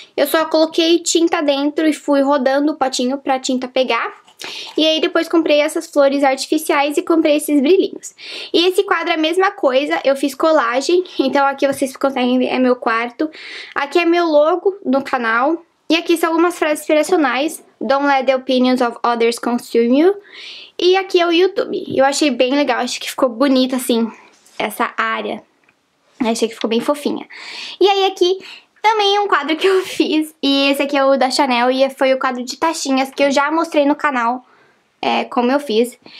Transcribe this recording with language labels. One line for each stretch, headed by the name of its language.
Portuguese: Eu só coloquei tinta dentro e fui rodando o potinho pra tinta pegar. E aí depois comprei essas flores artificiais e comprei esses brilhinhos. E esse quadro é a mesma coisa, eu fiz colagem, então aqui vocês conseguem ver, é meu quarto. Aqui é meu logo no canal, e aqui são algumas frases inspiracionais.
English: Don't let the opinions of others consume you.
Portuguese: E aqui é o YouTube, eu achei bem legal, acho que ficou bonito assim, essa área. Achei que ficou bem fofinha. E aí aqui... Também um quadro que eu fiz, e esse aqui é o da Chanel, e foi o quadro de tachinhas, que eu já mostrei no canal, como eu fiz.